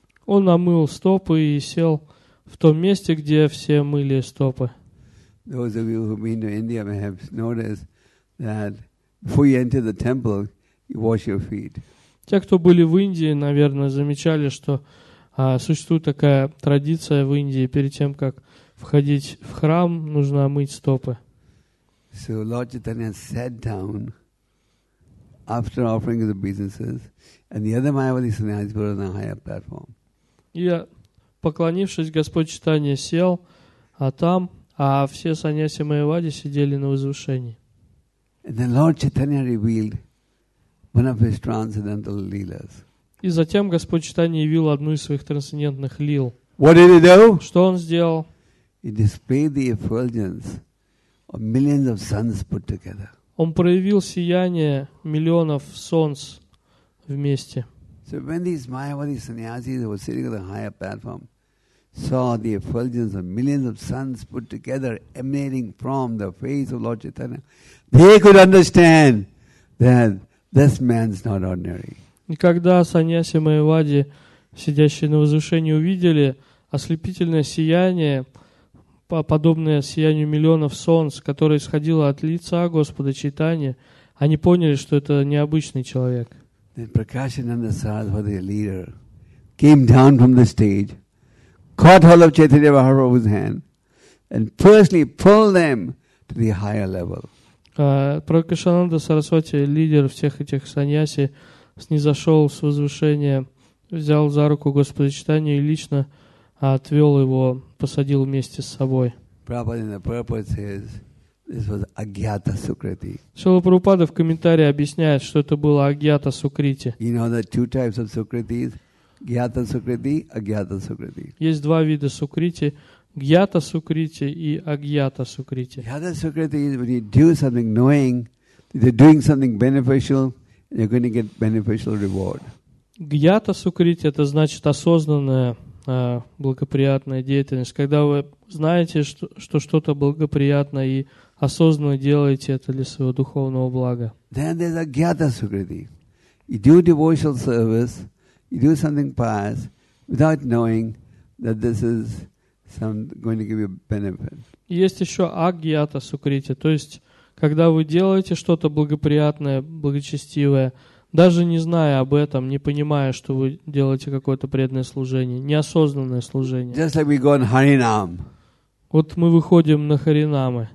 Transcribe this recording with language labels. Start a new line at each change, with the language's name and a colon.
Russian: Он омыл стопы и сел в том месте, где все мыли стопы.
English: Those of you who have been to India may have noticed that before you enter the temple, you wash your feet.
Russian: Те, кто были в Индии, наверное, замечали, что существует такая традиция в Индии: перед тем, как входить в храм, нужно омыть стопы.
English: So Lord Chaitanya sat down after offering his obeisances, and the other Mayavadi sannyasis were on a higher platform.
Russian: И, поклонившись, Господь Чайтанья сел, а там, а все саньяси Майявади сидели на возвышении.
English: And then Lord Chaitanya revealed one of his transcendental leelas.
Russian: И затем Господь Чайтанья явил одну из своих трансцендентных лил.
English: What did he do?
Russian: Что он сделал?
English: He displayed the effulgence of millions of suns put together.
Russian: Он проявил сияние миллионов солнц вместе.
English: So when these Mayavadi sannyasis who were sitting on the higher platform saw the effulgence of millions of suns put together emanating from the face of Lord Chaitanya, they could understand that this man's not ordinary.
Russian: И когда саньяси Майявади, сидящие на возвышении, увидели ослепительное сияние, подобное сиянию миллионов солнц, которое исходило от лица Господа Чайтаньи, они поняли, что это необычный человек.
English: Then Prakashananda Saraswati, the leader, came down from the stage, caught hold of Chaitanya Mahaprabhu's hand, and personally pulled them to the higher level.
Russian: Prakashananda Saraswati,
English: leader of all these sannyasi,
Russian: снизошел с возвышения, взял за руку Господа Чайтанью и лично отвел его, посадил вместе с собой.
English: Prabhupada, the purpose is, this was Agyata Sukriti.
Russian: Шрила Прабхупада в комментарии объясняет, что это было Агьята Сукрити.
English: You know the two types of Sukritis: Gyata Sukriti, Agyata Sukriti.
Russian: Есть два вида Сукрити: Гьята Сукрити и Агьята Сукрити.
English: Gyata Sukriti is when you do something knowing that you're doing something beneficial, you're going to get beneficial reward.
Russian: Гьята Сукрити — это значит осознанная благоприятная деятельность. Когда вы знаете, что что-то благоприятно и осознанно делаете это для своего духовного блага.
English: Then there's a gyata sukriti. You do devotional service, you do something pious without knowing that this is some going to give you benefit.
Russian: Есть еще агьята сукрити, то есть когда вы делаете что-то благоприятное, благочестивое, даже не зная об этом, не понимая, что вы делаете какое-то преданное служение, неосознанное служение.
English: Just like we go on Harinam.
Russian: Вот мы выходим на Харинамы.